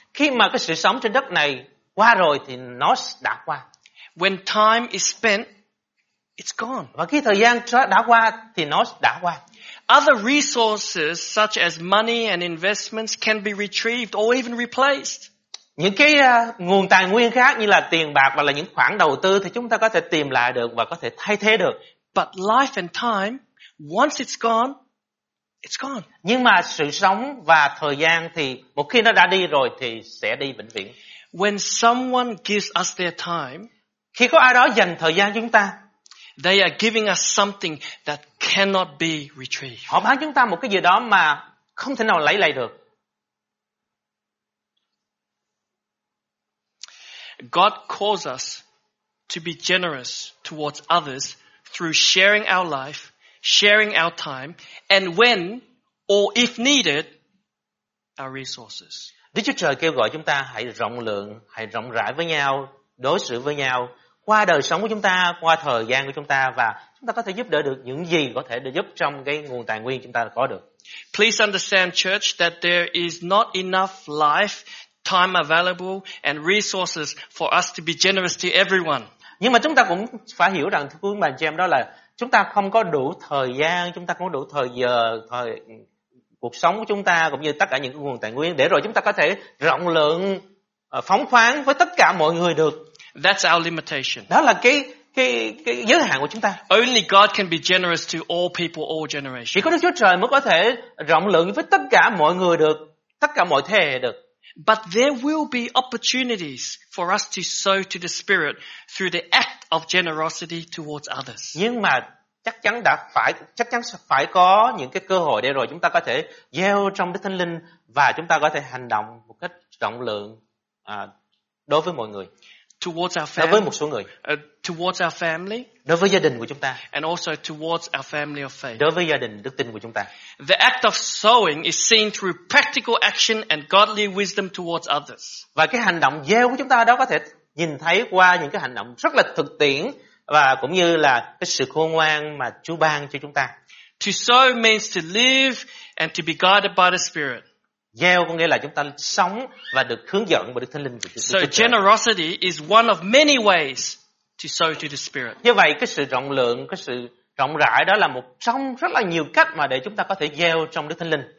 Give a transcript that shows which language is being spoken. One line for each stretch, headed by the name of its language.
Vietnamese: Khi mà cái sự sống trên đất này qua rồi thì nó đã qua.
English: When time is spent, it's gone.
Vietnamese: Và khi thời gian đã qua thì nó đã qua.
English: Other resources such as money and investments can be retrieved or even replaced.
Vietnamese: Những cái nguồn tài nguyên khác như là tiền bạc và là những khoản đầu tư thì chúng ta có thể tìm lại được và có thể thay thế được.
English: But life and time, once it's gone, it's gone.
Vietnamese: Nhưng mà sự sống và thời gian thì một khi nó đã đi rồi thì sẽ đi vĩnh viễn.
English: When someone gives us their time,
Vietnamese: khi có ai đó dành thời gian cho chúng ta,
English: they are giving us something that cannot be retrieved.
Vietnamese: Họ bán chúng ta một cái gì đó mà không thể nào lấy lại được.
English: God calls us to be generous towards others through sharing our life, sharing our time, and when or if needed, our resources.
Vietnamese: Đức Chúa Trời kêu gọi chúng ta hãy rộng lượng, hãy rộng rãi với nhau, đối xử với nhau qua đời sống của chúng ta, qua thời gian của chúng ta, và chúng ta có thể giúp đỡ được những gì có thể để giúp trong cái nguồn tài nguyên chúng ta có được.
English: Please understand, church, that there is not enough life, time available and resources for us to be generous to everyone.
Vietnamese: Nhưng mà chúng ta cũng phải hiểu rằng, thưa quý bà chị em, đó là chúng ta không có đủ thời gian, chúng ta không có đủ thời giờ, thời cuộc sống của chúng ta cũng như tất cả những nguồn tài nguyên để rồi chúng ta có thể rộng lượng, phóng khoáng với tất cả mọi người được.
English: That's our limitation.
Vietnamese: Đó là cái giới hạn của chúng ta.
English: Only God can be generous to all people, all generations.
Vietnamese: Chỉ có Đức Chúa Trời mới có thể rộng lượng với tất cả mọi người được, tất cả mọi thế hệ được.
English: But there will be opportunities for us to sow to the Spirit through the act of generosity towards others.
Vietnamese: Nhưng mà chắc chắn phải có những cái cơ hội để rồi chúng ta có thể gieo trong Đức Thánh Linh và chúng ta có thể hành động một cách rộng lượng đối với mọi người.
English: Towards our family,
Vietnamese: đối với một số người.
English: Towards our family,
Vietnamese: đối với gia đình của chúng ta.
English: And also towards our family of faith,
Vietnamese: đối với gia đình đức tin của chúng ta.
English: The act of sowing is seen through practical action and godly wisdom towards others.
Vietnamese: Và cái hành động gieo của chúng ta đó có thể nhìn thấy qua những cái hành động rất là thực tiễn và cũng như là cái sự khôn ngoan mà Chúa ban cho chúng ta.
English: To sow means to live and to be guided by the Spirit.
Vietnamese: Gieo có nghĩa là chúng ta sống và được hướng dẫn bởi Đức Thánh Linh của Chúa.
English: So generosity is one of many ways to sow to the Spirit.
Vietnamese: Như vậy cái sự rộng lượng, cái sự rộng rãi đó là một trong rất là nhiều cách mà để chúng ta có thể gieo trong Đức Thánh Linh.